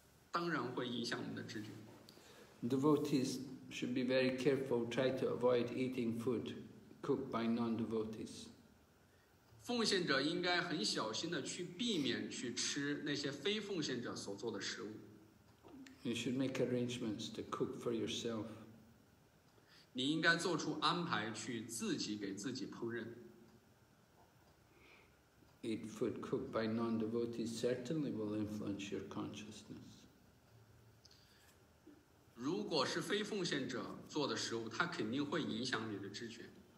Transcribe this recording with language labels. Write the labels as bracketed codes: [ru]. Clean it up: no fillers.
[zh] 当然会影响我们的知觉。 [en] Devotees should be very careful, try to avoid eating food cooked by non-devotees. [zh] 奉献者应该很小心的去避免去吃那些非奉献者所做的食物。 [en] You should make arrangements to cook for yourself. [zh] 你应该做出安排去自己给自己烹饪。 [en] Eat food cooked by non-devotees certainly will influence your consciousness. [zh] 如果是非奉献者做的食物，它肯定会影响你的知觉。